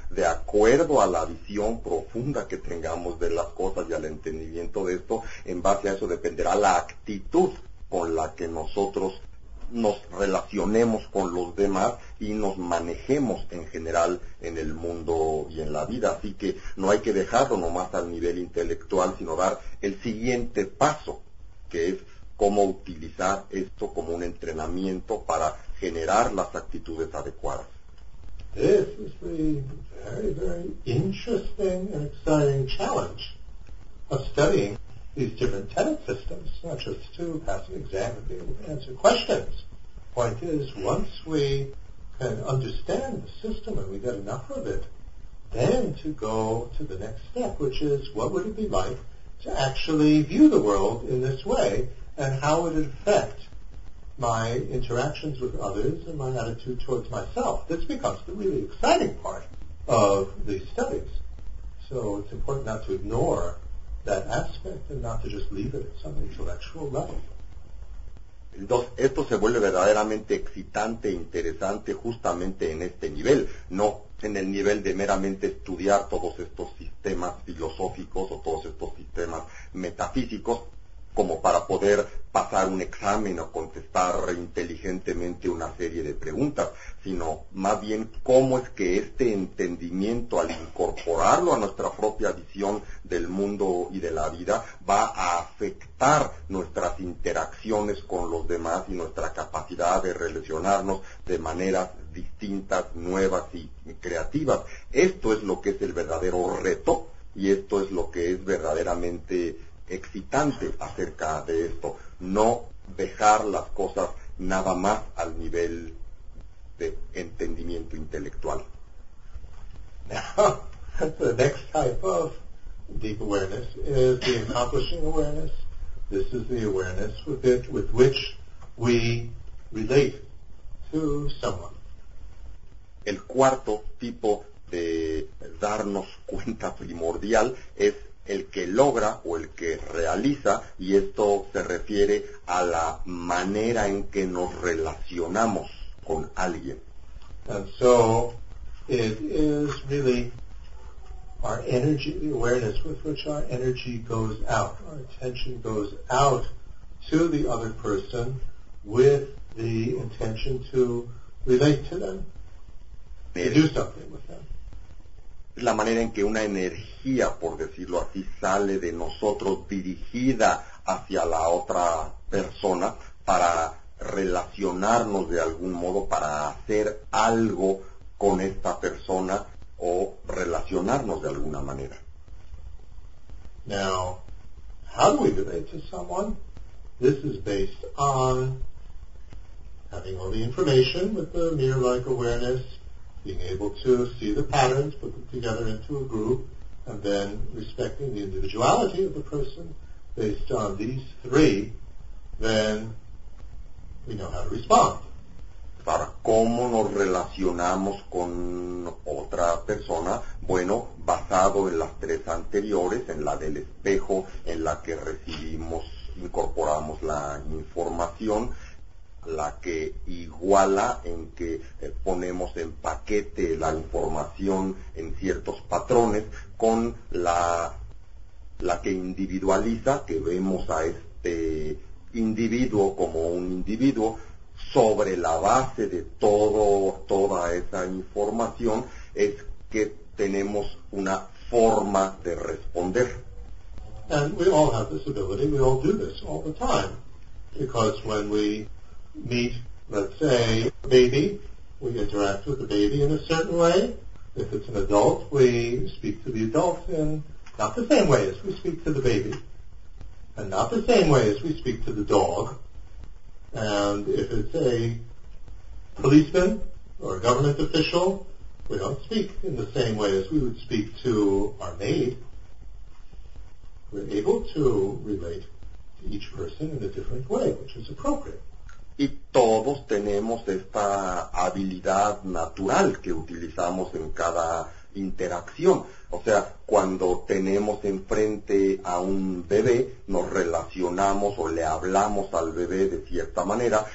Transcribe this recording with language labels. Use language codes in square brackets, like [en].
[es] De acuerdo a la visión profunda que tengamos de las cosas y al entendimiento de esto, en base a eso dependerá la actitud con la que nosotros nos relacionemos con los demás y nos manejemos en general en el mundo y en la vida. Así que no hay que dejarlo nomás al nivel intelectual, sino dar el siguiente paso, que es cómo utilizar esto como un entrenamiento para generar las actitudes adecuadas. [en] This is the very, very interesting and exciting challenge of studying these different tenet systems, not just to pass an exam and be able to answer questions. Point is, once we can understand the system and we get enough of it, then to go to the next step, which is, what would it be like to actually view the world in this way, and how would it affect my interactions with others and my attitude towards myself? This becomes the really exciting part of these studies. So it's important not to ignore that aspect and not to just leave it at some intellectual level. [es] Entonces, esto se vuelve verdaderamente excitante e interesante justamente en este nivel, no en el nivel de meramente estudiar todos estos sistemas filosóficos o todos estos sistemas metafísicos como para poder pasar un examen o contestar inteligentemente una serie de preguntas, sino más bien cómo es que este entendimiento, al incorporarlo a nuestra propia visión del mundo y de la vida, va a afectar nuestras interacciones con los demás y nuestra capacidad de relacionarnos de maneras distintas, nuevas y creativas. Esto es lo que es el verdadero reto y esto es lo que es verdaderamente excitante acerca de esto, no dejar las cosas nada más al nivel de entendimiento intelectual. [en] Now, the next type of deep awareness is the accomplishing awareness. This is the awareness with which we relate to someone. [es] El cuarto tipo de darnos cuenta primordial es el que logra o el que realiza, y esto se refiere a la manera en que nos relacionamos con alguien. [en] And so, it is really our energy, the awareness with which our energy goes out, our attention goes out to the other person with the intention to relate to them, to do something with them. [es] La manera en que una energía, por decirlo así, sale de nosotros dirigida hacia la otra persona para relacionarnos de algún modo, para hacer algo con esta persona o relacionarnos de alguna manera. [en] Now, how do we relate to someone? This is based on having all the information with the mirror-like awareness, being able to see the patterns, put them together into a group, and then respecting the individuality of the person based on these three, then we know how to respond. [es] Para cómo nos relacionamos con otra persona, bueno, basado en las tres anteriores, en la del espejo, en la que recibimos, incorporamos la información, la que iguala en que ponemos en paquete la información en ciertos patrones, con la que individualiza, que vemos a este individuo como un individuo, sobre la base de toda esa información, es que tenemos una forma de responder. [en] And we all have this ability, we all do this all the time, because when we meet, let's say, a baby, we interact with the baby in a certain way. If it's an adult, we speak to the adult in not the same way as we speak to the baby, and not the same way as we speak to the dog. And if it's a policeman or a government official, we don't speak in the same way as we would speak to our maid. We're able to relate to each person in a different way, which is appropriate. [es] Y todos tenemos esta habilidad natural que utilizamos en cada interacción. O sea, cuando tenemos enfrente a un bebé, nos relacionamos o le hablamos al bebé de cierta manera.